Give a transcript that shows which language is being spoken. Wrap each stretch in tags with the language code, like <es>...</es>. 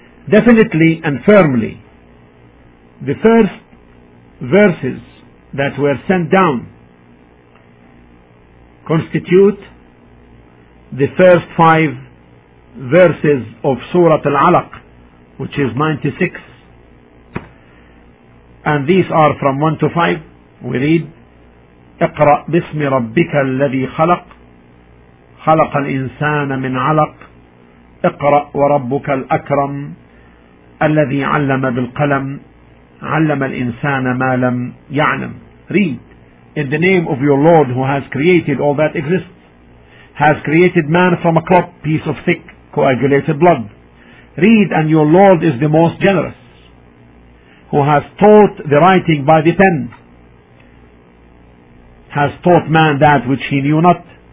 <en>Definitely and firmly, the first verses that were sent down constitute the first five verses of Surah Al-Alaq, which is 96. And these are from 1 to 5. We read,</en> <ar>اقرأ باسم ربك الذي خلق خلق الإنسان من علق اقرأ وربك الأكرم الذي علم بالقلم علم الإنسان ما لم يعلم.</ar> <en>Read, in the name of your Lord who has created all that exists, has created man from a clot, piece of thick coagulated blood. Read, and your Lord is the most generous, who has taught the writing by the pen, has taught man that which he knew not.</en>